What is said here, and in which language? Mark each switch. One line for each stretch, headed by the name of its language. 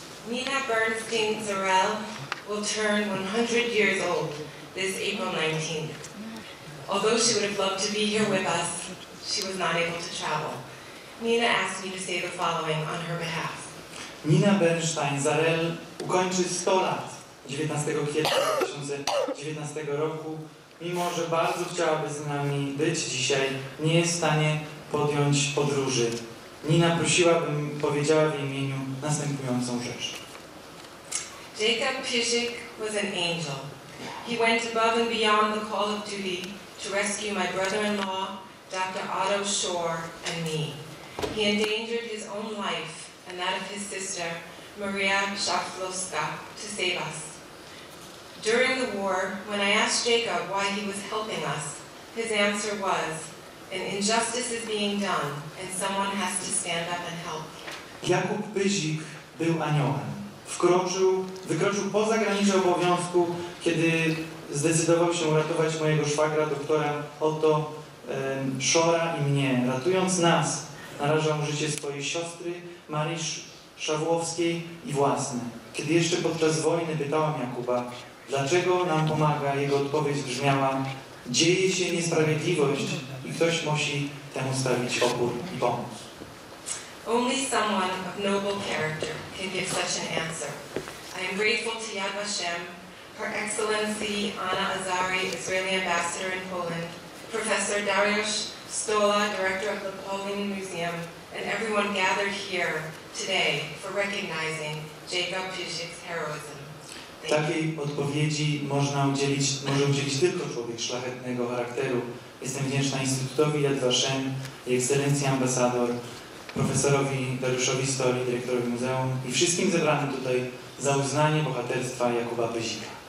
English: Nina Bernstein Zarel will turn 100 years old this April 19th. Although she would have loved to be here with us, she was not able to travel. Nina asked me to say the following on her behalf.
Polish: Nina Bernstein Zarel ukończy 100 lat 19 kwietnia 2019 roku. Mimo, że bardzo chciałaby z nami być dzisiaj, nie jest w stanie podjąć podróży. Nina prosiłabym, powiedziała w imieniu następującą rzecz.
English: Jacob Pyzik was an angel. He went above and beyond the call of duty to rescue my brother-in-law, Dr. Otto Shore, and me. He endangered his own life and that of his sister, Maria Shaflowska, to save us. During the war, when I asked Jacob why he was helping us, his answer was, an injustice is being done, and someone has to stand up and help.
Polish: Jakub Pyzik był aniołem. Wykroczył poza granicę obowiązku, kiedy zdecydował się ratować mojego szwagra, doktora Otto Shore'a i mnie. Ratując nas, narażał życie swojej siostry, Marii Szawłowskiej i własne. Kiedy jeszcze podczas wojny pytałam Jakuba, dlaczego nam pomaga, jego odpowiedź brzmiała: dzieje się niesprawiedliwość i ktoś musi temu stawić opór i pomóc.
English: Only someone of noble character can give such an answer. I am grateful to Yad Vashem, Her Excellency Anna Azari, Israeli Ambassador in Poland, Professor Dariusz Stola, Director of the Pauline Museum, and everyone gathered here today for recognizing Jacob Pyzik's heroism.
Polish: Takiej odpowiedzi może udzielić tylko człowiek szlachetnego charakteru. Jestem wdzięczna Instytutowi Yad Vashem, Jej Ekscelencji Ambasador, profesorowi Dariuszowi Stoli, dyrektorowi muzeum i wszystkim zebranym tutaj za uznanie bohaterstwa Jakuba Pyzika.